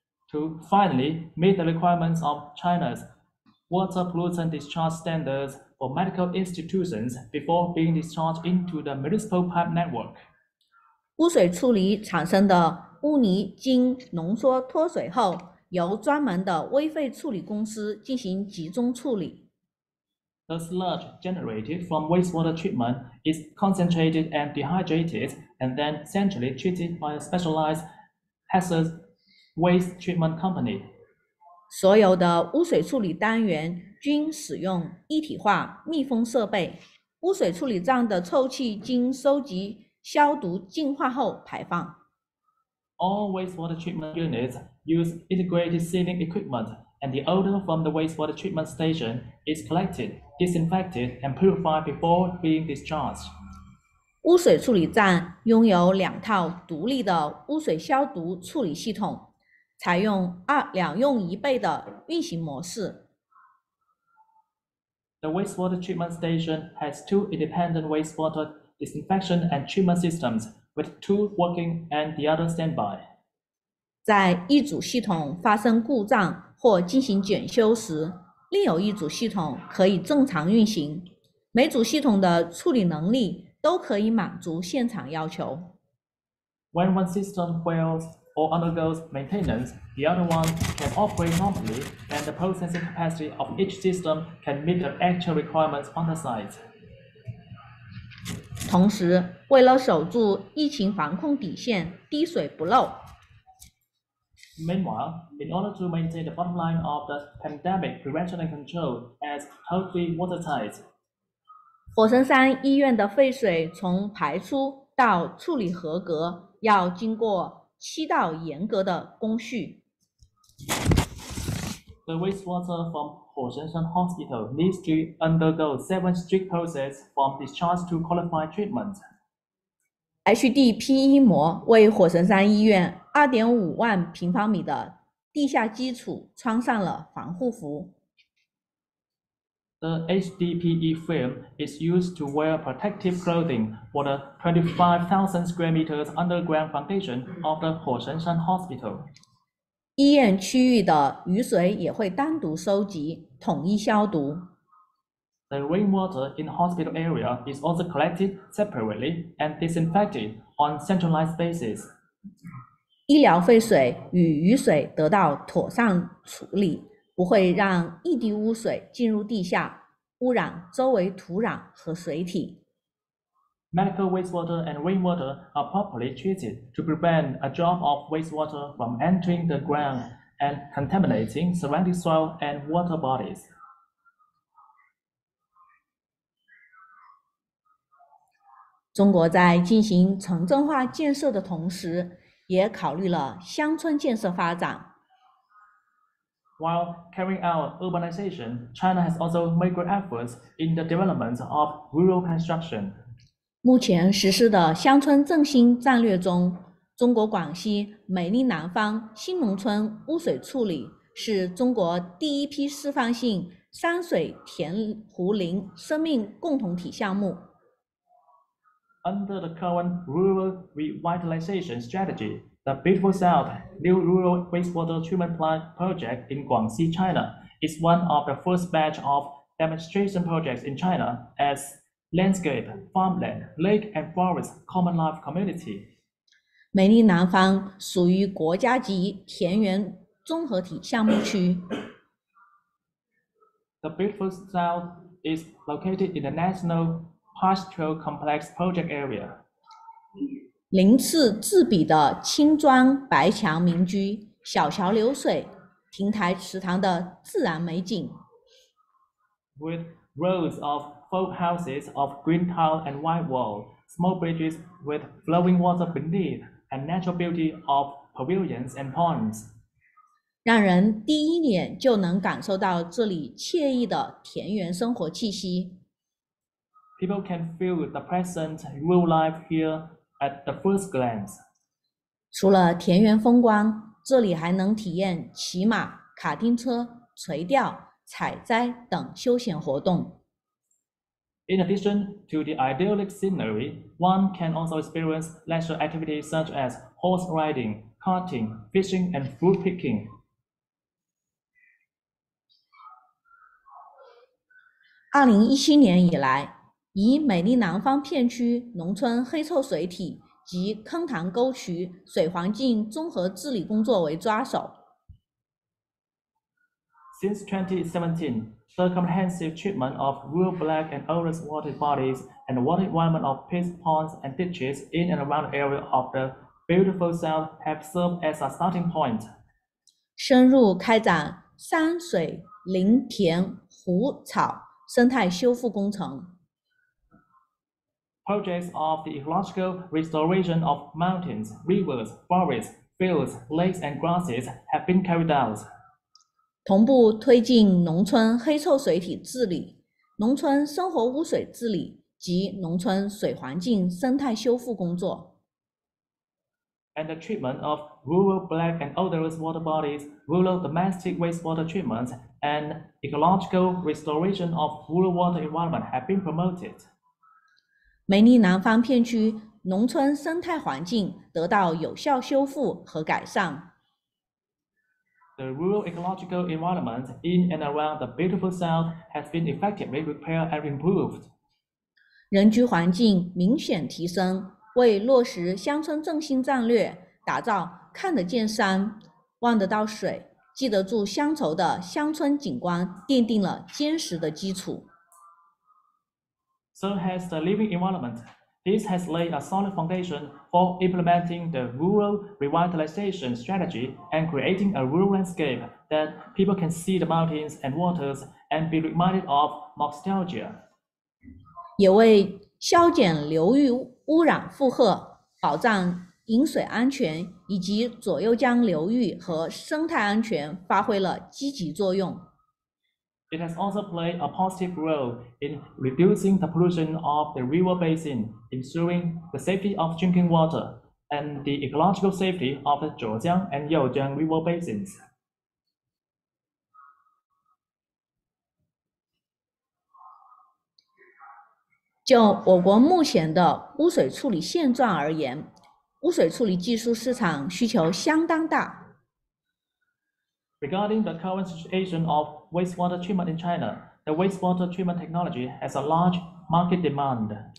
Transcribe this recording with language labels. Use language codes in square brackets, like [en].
[en] To finally meet the requirements of China's water pollutant discharge standards for medical institutions before being discharged into the municipal pipe network. [zh] 污水处理产生的污泥经浓缩脱水后，由专门的微废处理公司进行集中处理。 [en] The sludge generated from wastewater treatment is concentrated and dehydrated and then centrally treated by a specialized hazardous waste treatment company. [zh] 所有的污水处理单元均使用一体化密封设备。污水处理站的臭气经收集、消毒、净化后排放。 [en] All wastewater treatment units use integrated sealing equipment, and the odor from the wastewater treatment station is collected, disinfected, and purified before being discharged. [zh] 污水处理站拥有两套独立的污水消毒处理系统，采用两用一备的运行模式。 [en] The wastewater treatment station has two independent wastewater disinfection and treatment systems, with two working and the other standby. [zh] 在一组系统发生故障或进行检修时，另有一组系统可以正常运行。每组系统的处理能力都可以满足现场要求。 [en] When one system fails or undergoes maintenance, the other one can operate normally, and the processing capacity of each system can meet the actual requirements on the site. [zh] 同时，为了守住疫情防控底线，滴水不漏。 [en] Meanwhile, in order to maintain the bottom line of the pandemic prevention and control as totally watertight, [zh] 火神山医院的废水从排出到处理合格要经过七道严格的工序。 [en] The wastewater from 火神山 Hospital needs to undergo seven strict processes from discharge to qualified treatment. [zh] HDPE 膜为火神山医院2.5万平方米的地下基础穿上了防护服。 [en] The HDPE film is used to wear protective clothing for the 25,000 square meters underground foundation of the 火神山 Hospital. [zh] 医院区域的雨水也会单独收集，统一消毒。 [en] The rainwater in the hospital area is also collected separately and disinfected on centralized basis. [zh] 医疗废水与雨水得到妥善处理，不会让一滴污水进入地下，污染周围土壤和水体。 [en] Medical wastewater and rainwater are properly treated to prevent a drop of wastewater from entering the ground and contaminating surrounding soil and water bodies. [zh] 中国在进行城镇化建设的同时，也考虑了乡村建设发展。 [en] While carrying out urbanization, China has also made great efforts in the development of rural construction. [zh] 目前实施的乡村振兴战略中，中国广西美丽南方新农村污水处理是中国第一批示范性山水田湖林生命共同体项目。 [en] Under the current rural revitalization strategy,The Beautiful South New Rural Wastewater Treatment Plant Project in Guangxi, China, is one of the first batch of demonstration projects in China as landscape, farmland, lake and forest common life community. [zh] 美丽南方属于国家级田园综合体项目区。 [en] The Beautiful South is located in the National Pastoral Complex Project Area. [zh] 鳞次栉比的青砖白墙民居，小桥流水，亭台池塘的自然美景。 [en] With rows of folk houses of green tile and white wall, small bridges with flowing water beneath, and natural beauty of pavilions and ponds. [zh] 让人第一眼就能感受到这里惬意的田园生活气息。 [en] People can feel the present rural life here. At the first glance, [zh] 除了田园风光，这里还能体验骑马、卡丁车、垂钓、采摘等休闲活动。 [en] In addition to the idyllic scenery, one can also experience leisure activities such as horse riding, karting, fishing, and fruit picking. [zh] 2017年以来，以美丽南方片区农村黑臭水体及坑塘沟渠水环境综合治理工作为抓手。 [en] Since 2017, the comprehensive treatment of rural black and odorous water bodies and the water environment of pits, ponds, and ditches in and around the area of the beautiful South have served as a starting point, [zh] 深入开展山水林田湖草生态修复工程。 [en] Projects of the ecological restoration of mountains, rivers, forests, fields, lakes, and grasses have been carried out. [zh] 同步推进农村黑臭水体治理、农村生活污水治理及农村水环境生态修复工作。 [en] And the treatment of rural black and odorous water bodies, rural domestic wastewater treatments, and ecological restoration of rural water environment have been promoted. [zh] 梅利南方片区农村生态环境得到有效修复和改善。 [en] The rural ecological environment in and around the beautiful South has been effectively repaired and improved. [zh] 人居环境明显提升，为落实乡村振兴战略，打造看得见山、望得到水、记得住乡愁的乡村景观，奠定了坚实的基础。 [en] So has the living environment. This has laid a solid foundation for implementing the rural revitalization strategy and creating a rural landscape that people can see the mountains and waters and be reminded of nostalgia. [zh] 也为削减流域污染负荷，保障饮水安全以及左右江流域和生态安全发挥了积极作用。 [en] It has also played a positive role in reducing the pollution of the river basin, ensuring the safety of drinking water, and the ecological safety of the Zhejiang and Youjiang river basins. [zh] 就我国目前的污水处理现状而言，污水处理技术市场需求相当大。 [en] Regarding the current situation of wastewater treatment in China, the wastewater treatment technology has a large market demand.